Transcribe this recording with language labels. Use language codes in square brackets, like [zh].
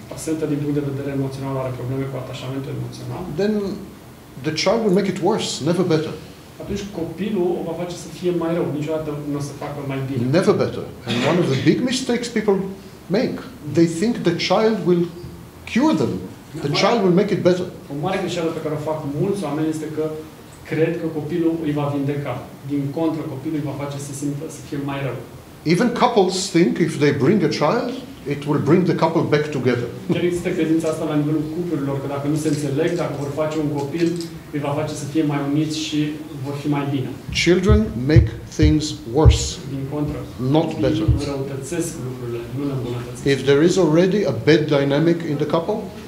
[ro] absentă din punct de vedere emoțional, are probleme cu atașamentul emoțional, [en] then the child will make it worse, never better. [ro] Atunci copilul o va face să fie mai rău, niciodată nu o să facă mai bine. Never better. [en] And one of the big mistakes people make, they think the child will cure them. The child will make it better. [ro] O mare greșeală pe care o fac mulți oameni este că cred că copilul îi va vindeca. Din contră, copilul îi va face să simtă să fie mai rău. [en] Even couples think if they bring a child, it will bring the couple back together. [ro] Chiar există credința asta la nivelul cuplurilor, că dacă nu se înțeleg, dacă vor face un copil, îi va face să fie mai uniți și vor fi mai bine. [en] Children make things worse. [ro] Din contră. [en] Not better. [ro] Îi răutățesc lucrurile, nu le îmbunătățesc. [en] If there is already a bad dynamic in the couple,